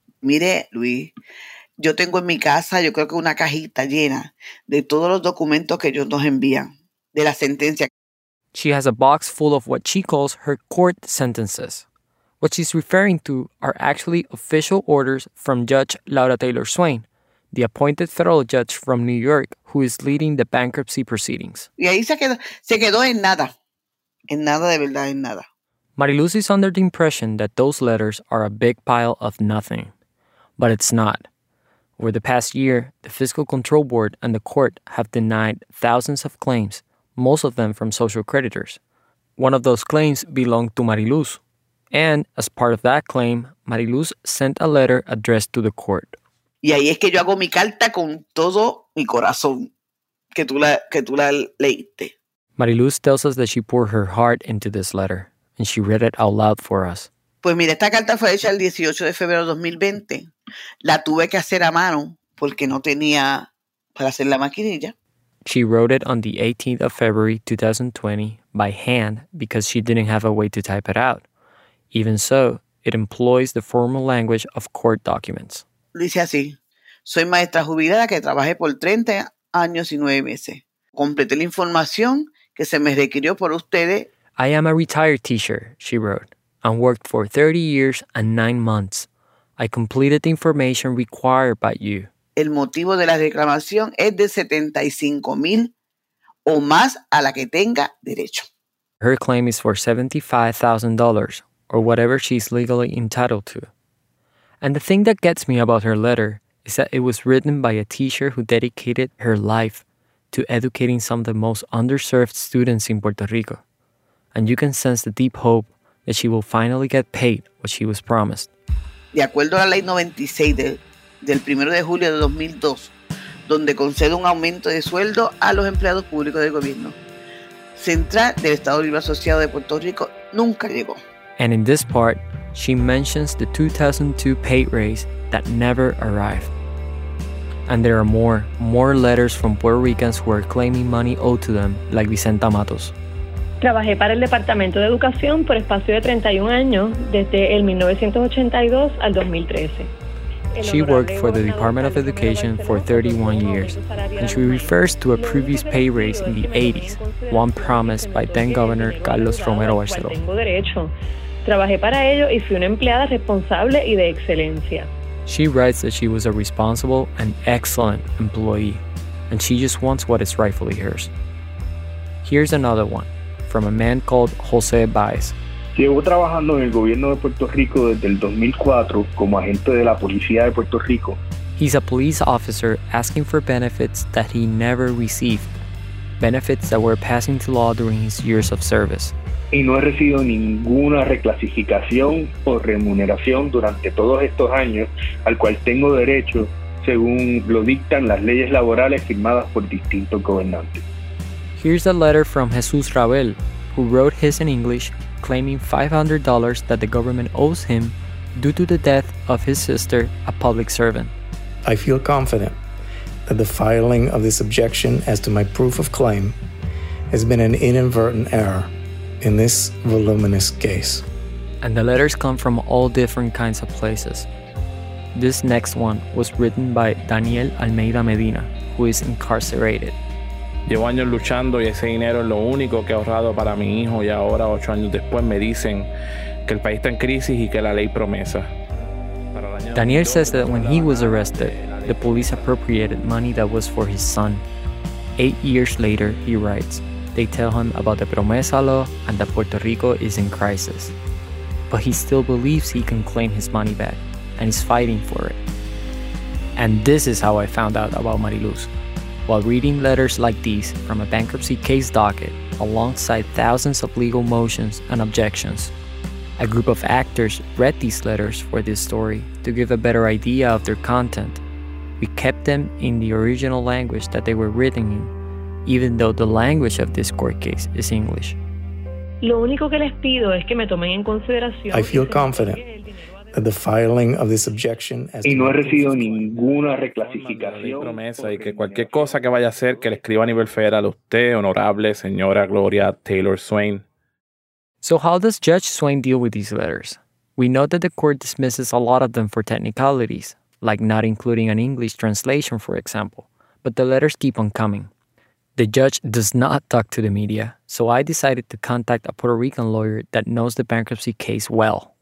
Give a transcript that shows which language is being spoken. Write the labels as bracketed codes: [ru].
[es] Mire, Luis, yo tengo en mi casa, yo creo que una cajita llena de todos los documentos que ellos nos envían, de la sentencia. [en] She has a box full of what she calls her court sentences. What she's referring to are actually official orders from Judge Laura Taylor Swain, the appointed federal judge from New York who is leading the bankruptcy proceedings. [es] Y ahí se quedó en nada. En nada de verdad, en nada. [en] Mariluz is under the impression that those letters are a big pile of nothing. But it's not. Over the past year, the Fiscal Control Board and the court have denied thousands of claims, most of them from social creditors. One of those claims belonged to Mariluz. And as part of that claim, Mariluz sent a letter addressed to the court. [es] Y ahí es que yo hago mi carta con todo mi corazón, que tú la leíste. [en] Mariluz tells us that she poured her heart into this letter, and she read it out loud for us. [es] Pues mira, esta carta fue hecha el 18 de febrero de 2020. La tuve que hacer a mano porque no tenía para hacer la maquinilla. [en] She wrote it on the 18th of February 2020 by hand because she didn't have a way to type it out. Even so, it employs the formal language of court documents. [es] Dice así, soy maestra jubilada que trabajé por 30 años y 9 meses. Completé la información que se me requirió por ustedes. [en] I am a retired teacher, she wrote, and worked for 30 years and 9 months. I completed the information required by you. [es] El motivo de la reclamación es de 75,000 o más a la que tenga derecho. [en] Her claim is for $75,000 or whatever she's legally entitled to. And the thing that gets me about her letter is that it was written by a teacher who dedicated her life to educating some of the most underserved students in Puerto Rico. And you can sense the deep hope that she will finally get paid what she was promised. [es] De acuerdo a la ley 96 del 1 de julio de 2002, donde concede un aumento de sueldo a los empleados públicos del gobierno, central del Estado Libre Asociado de Puerto Rico nunca llegó. [en] And in this part, she mentions the 2002 pay raise that never arrived. And there are more letters from Puerto Ricans who are claiming money owed to them, like Vicenta Matos. [es] Trabajé para el Departamento de Educación por espacio de 31 años, desde el 1982 al 2013. [en] She worked for the Department of Education for 31 years, and she refers to a previous pay raise in the 80s, one promised by then-Governor Carlos Romero Barceló. [es] Trabajé para ello y fui una empleada responsable y de excelencia. [en] She writes that she was a responsible and excellent employee, and she just wants what is rightfully hers. Here's another one. From a man called Jose Baez. [es] Llevo trabajando en el gobierno de Puerto Rico desde el 2004 como agente de la policía de Puerto Rico. [en] He's a police officer asking for benefits that he never received, benefits that were passed into law during his years of service. [es] Y no he recibido ninguna reclasificación o remuneración durante todos estos años al cual tengo derecho según lo dictan las leyes laborales firmadas por distintos gobernantes. [en] Here's a letter from Jesus Ravel, who wrote his in English, claiming $500 that the government owes him due to the death of his sister, a public servant. I feel confident that the filing of this objection as to my proof of claim has been an inadvertent error in this voluminous case. And the letters come from all different kinds of places. This next one was written by Daniel Almeida Medina, who is incarcerated. [es] Llevo años luchando y ese dinero es lo único que he ahorrado para mi hijo y ahora, 8 años después, me dicen que el país está en crisis y que la ley promesa. [en] Daniel says that when he was arrested, the police appropriated money that was for his son. 8 years later, he writes, they tell him about the promesa law and that Puerto Rico is in crisis. But he still believes he can claim his money back, and he's fighting for it. And this is how I found out about Mariluz. While reading letters like these from a bankruptcy case docket, alongside thousands of legal motions and objections, a group of actors read these letters for this story to give a better idea of their content. We kept them in the original language that they were written in, even though the language of this court case is English. I feel confident that the filing of this objection as [es] y no he recibido ninguna reclasificación promesa y que cualquier cosa que vaya a hacer que le escriba a nivel federal a usted honorable señora Gloria Taylor Swain. [en] So how does Judge Swain deal with these letters? We know that the court dismisses a lot of them for technicalities, like not including an English translation, for example, but the letters keep on coming. The judge does not talk to the media, so I decided to contact a Puerto Rican lawyer that knows the bankruptcy case well.